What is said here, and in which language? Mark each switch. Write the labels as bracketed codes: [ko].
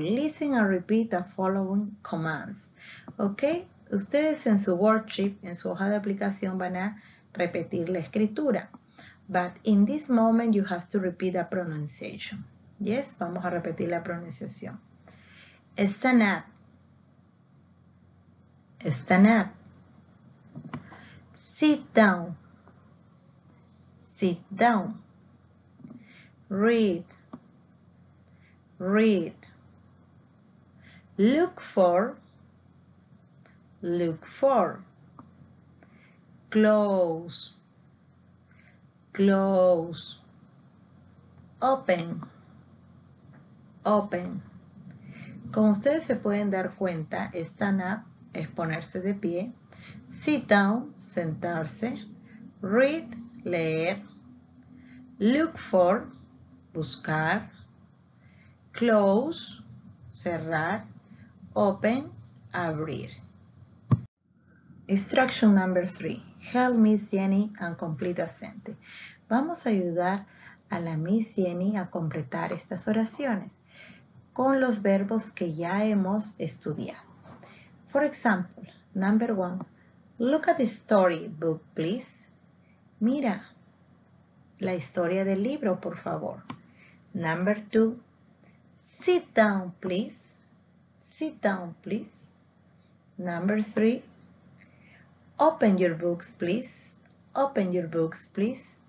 [en] Listen and repeat the following commands. Ok. [es] Ustedes en su worksheet, en su hoja de aplicación, van a repetir la escritura. [en] But in this moment, you have to repeat the pronunciation. Yes. [es] Vamos a repetir la pronunciación. [en] Stand up. Stand up. Sit down. Sit down. Read. Read. Look for. Look for. Close. Close. Open. Open. [es] Como ustedes se pueden dar cuenta, stand up es ponerse de pie. [en] Sit down, sentarse. Read, leer. Look for, buscar. Close, cerrar. Open, abrir. Instruction number 3. Help Miss Jenny and complete a sentence. [es] Vamos a ayudar a la Miss Jenny a completar estas oraciones con los verbos que ya hemos estudiado. [en] For example, number 1. Look at the story book, please. [es] Mira la historia del libro, por favor. [en] Number 2. Sit down, please. Sit down, please. Number 3. Open your books, please. Open your books, please.